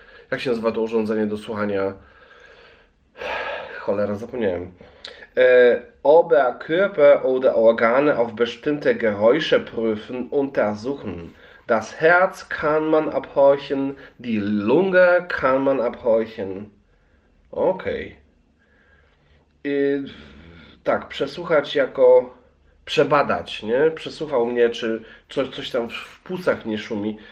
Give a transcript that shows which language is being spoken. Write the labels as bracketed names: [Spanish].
[Polish] Jak się nazywa to urządzenie do słuchania? Cholera, zapomniałem. [German] Ober Körper oder Organe auf bestimmte Geräusche prüfen, untersuchen. Das Herz kann man abhorchen, die Lunge kann man abhorchen. Okej. Okay. [Polish] Tak, przesłuchać jako przebadać, nie? Przesłuchał mnie, czy coś tam w płucach nie szumi.